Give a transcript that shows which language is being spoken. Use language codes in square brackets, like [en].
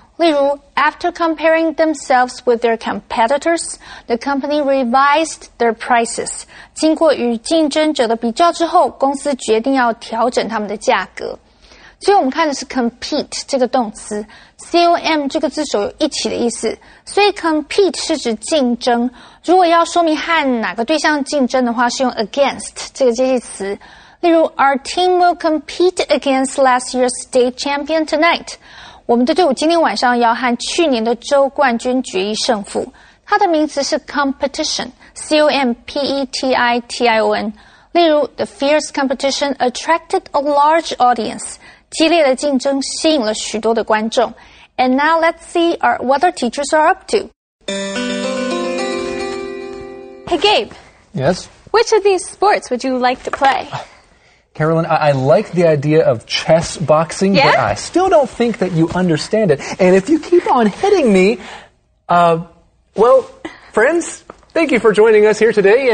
[en] 例如 ,After comparing themselves with their competitors, the company revised their prices. [zh] 经过与竞争者的比较之后，公司决定要调整他们的价格。所以我们看的是 compete 这个动词 ,com 这个字首有一起的意思。所以 compete 是指竞争。如果要说明和哪个对象竞争的话，是用 against 这个介系词。 [en] 例如 ,our team will compete against last year's state champion tonight. [zh] 我们的队伍今天晚上要和去年的州冠军决一胜负。它的名词是 competition,C-O-M-P-E-T-I-T-I-O-N。 [en] 例如 ,the fierce competition attracted a large audience. [zh] 激烈的竞争吸引了许多的观众。 [en] And now let's see what our teachers are up to. Hey, Gabe. Yes? Which of these sports would you like to play? Carolyn, I like the idea of chess boxing,、 yeah? but I still don't think that you understand it. And if you keep on hitting me, well, friends, thank you for joining us here today.